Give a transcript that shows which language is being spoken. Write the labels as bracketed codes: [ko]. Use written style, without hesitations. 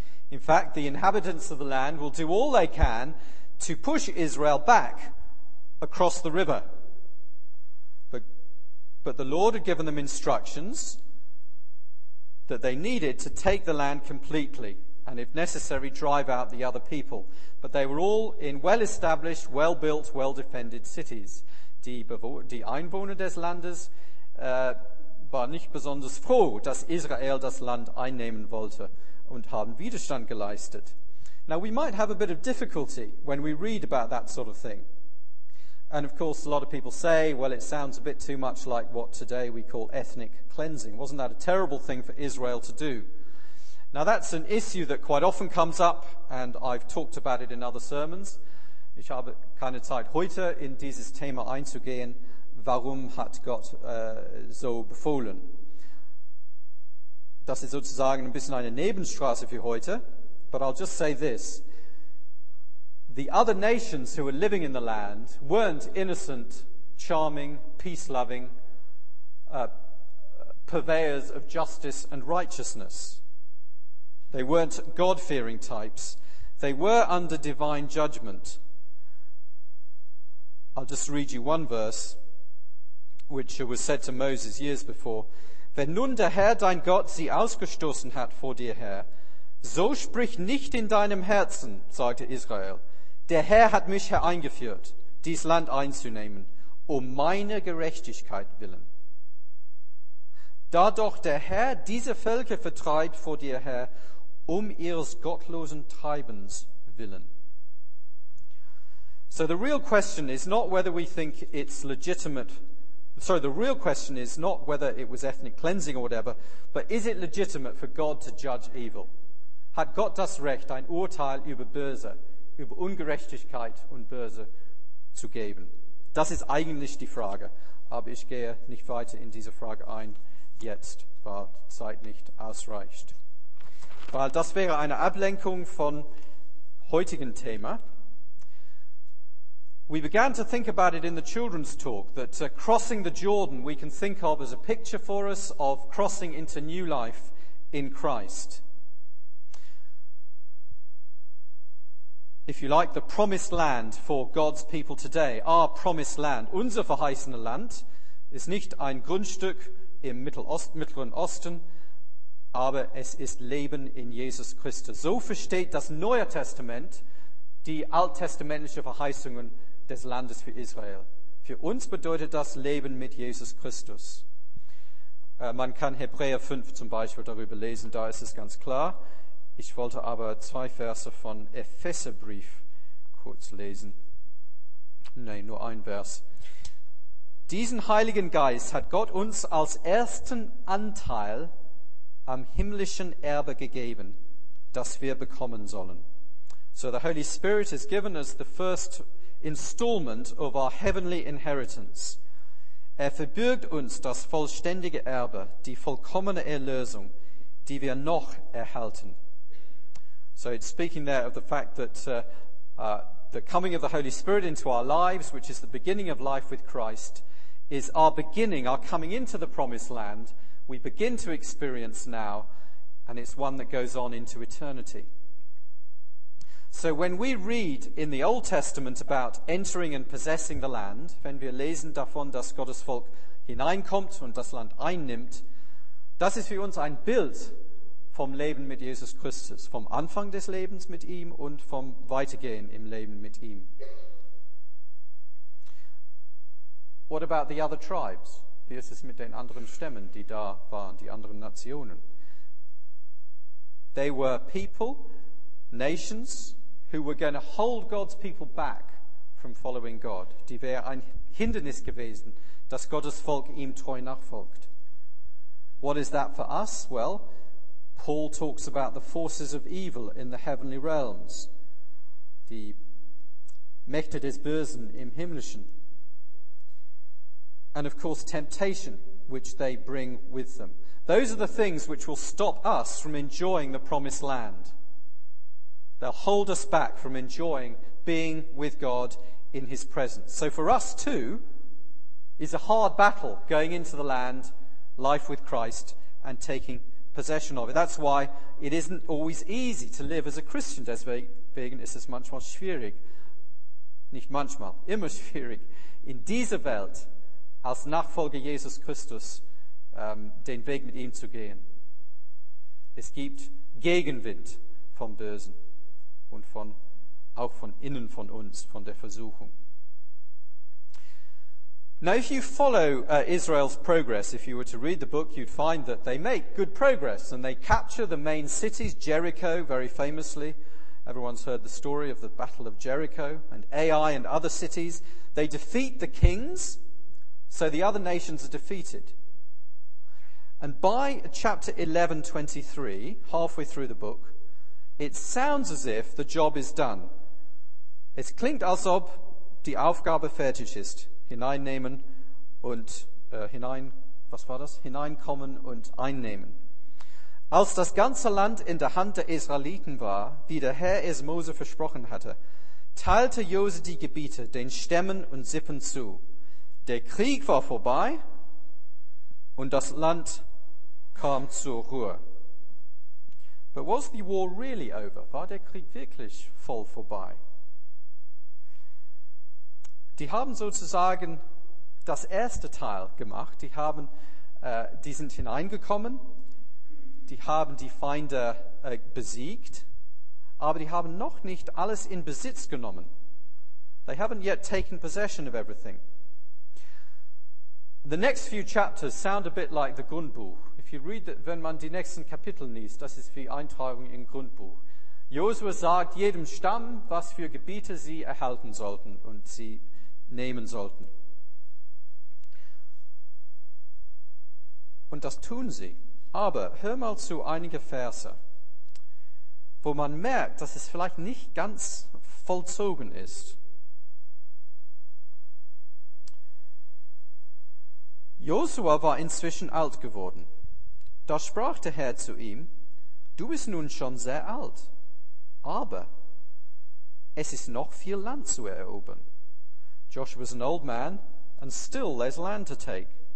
[en] In fact, the inhabitants of the land will do all they can to push Israel back across the river. But the Lord had given them instructions that they needed to take the land completely and, if necessary, drive out the other people. But they were all in well-established, well-built, well-defended cities. [de] Die Einwohner des Landes waren nicht besonders froh, dass Israel das Land einnehmen wollte, und haben Widerstand geleistet. [en] Now, we might have a bit of difficulty when we read about that sort of thing. And, of course, a lot of people say, well, it sounds a bit too much like what today we call ethnic cleansing. Wasn't that a terrible thing for Israel to do? Now, that's an issue that quite often comes up, and I've talked about it in other sermons. [de] Ich habe keine Zeit, heute in dieses Thema einzugehen. Warum hat Gott so befohlen? Das ist sozusagen ein bisschen eine Nebenstraße für heute. [en] But I'll just say this. The other nations who were living in the land weren't innocent, charming, peace-loving purveyors of justice and righteousness. They weren't God-fearing types. They were under divine judgment. I'll just read you one verse, which was said to Moses years before. [de] Wenn nun der Herr dein Gott sie ausgestoßen hat vor dir her, so sprich nicht in deinem Herzen, sagte Israel, der Herr hat mich hereingeführt, dies Land einzunehmen, um meine Gerechtigkeit willen. Da doch der Herr diese Völker vertreibt vor dir her, um ihres gottlosen Treibens willen. [en] So the real question is not whether we think it's legitimate. Sorry, the real question is not whether it was ethnic cleansing or whatever, but is it legitimate for God to judge evil? [de] Hat Gott das Recht, ein Urteil über Böse, über Ungerechtigkeit und Böse zu geben? Das ist eigentlich die Frage. Aber ich gehe nicht weiter in diese Frage ein jetzt, weil Zeit nicht ausreicht. Weil das wäre eine Ablenkung von heutigen Thema. [en] We began to think about it in the children's talk, that crossing the Jordan we can think of as a picture for us of crossing into new life in Christ. If you like, the promised land for God's people today, our promised land, [de] unser verheißene Land, ist nicht ein Grundstück im Mittleren Osten, aber es ist Leben in Jesus Christus. So versteht das Neue Testament die alttestamentliche Verheißungen des Landes für Israel. Für uns bedeutet das Leben mit Jesus Christus. Man kann Hebräer 5 zum Beispiel darüber lesen, da ist es ganz klar. Ich wollte aber zwei Verse von Epheserbrief kurz lesen. Nein, nur ein Vers. Diesen Heiligen Geist hat Gott uns als ersten Anteil am himmlischen Erbe gegeben, das wir bekommen sollen. [en] So the Holy Spirit has given us the first installment of our heavenly inheritance. [de] Er verbürgt uns das vollständige Erbe, die vollkommene Erlösung, die wir noch erhalten. [en] So it's speaking there of the fact that the coming of the Holy Spirit into our lives, which is the beginning of life with Christ, is our beginning, our coming into the promised land. We begin to experience now, and it's one that goes on into eternity. So when we read in the Old Testament about entering and possessing the land, [de] wenn wir lesen davon, dass Gottes Volk hineinkommt und das Land einnimmt, das ist für uns ein Bild vom Leben mit Jesus Christus, vom Anfang des Lebens mit ihm und vom Weitergehen im Leben mit ihm. [en] What about the other tribes? [de] Wie ist es mit den anderen Stämmen, die da waren, die anderen Nationen? [en] They were people, nations, who were going to hold God's people back from following God. [de] Die wäre ein Hindernis gewesen, dass Gottes Volk ihm treu nachfolgt. [en] What is that for us? Well, Paul talks about the forces of evil in the heavenly realms. [de] Die Mächte des Bösen im Himmlischen. [en] And of course, temptation, which they bring with them. Those are the things which will stop us from enjoying the promised land. They'll hold us back from enjoying being with God in his presence. So for us too, is a hard battle going into the land, life with Christ, and taking possession of it. That's why it isn't always easy to live as a Christian. [de] Deswegen ist es manchmal schwierig. Nicht manchmal, immer schwierig. In dieser Welt, als Nachfolger Jesus Christus, den Weg mit ihm zu gehen. Es gibt Gegenwind vom Bösen und auch von innen von uns, von der Versuchung. [en] Now if you follow Israel's progress, if you were to read the book, you'd find that they make good progress and they capture the main cities, Jericho, very famously. Everyone's heard the story of the Battle of Jericho and Ai and other cities. They defeat the kings. So the other nations are defeated. And by chapter 11:23, halfway through the book, it sounds as if the job is done. [de] Es klingt, als ob die Aufgabe fertig ist. Hineinnehmen und hineinkommen und einnehmen. Als das ganze Land in der Hand der Israeliten war, wie der Herr es Mose versprochen hatte, teilte Jose die Gebiete den Stämmen und Sippen zu. Der Krieg war vorbei und das Land kam zur Ruhe. [en] But was the war really over? [de] War der Krieg wirklich voll vorbei? Die haben sozusagen das erste Teil gemacht. Die sind hineingekommen. Die haben die Feinde besiegt. Aber die haben noch nicht alles in Besitz genommen. [en] They haven't yet taken possession of everything. The next few chapters sound a bit like the Grundbuch. If you read that, [de] wenn man die nächsten Kapitel liest, das ist wie Eintragung in Grundbuch. Josua sagt jedem Stamm, was für Gebiete sie erhalten sollten und sie nehmen sollten. Und das tun sie. Aber hör mal zu einige Verse, wo man merkt, dass es vielleicht nicht ganz vollzogen ist. Josua war inzwischen alt geworden. Da sprach der Herr zu ihm, du bist nun schon sehr alt, aber es ist noch viel Land zu erobern. [en] Joshua's an old man, and still there's land to take.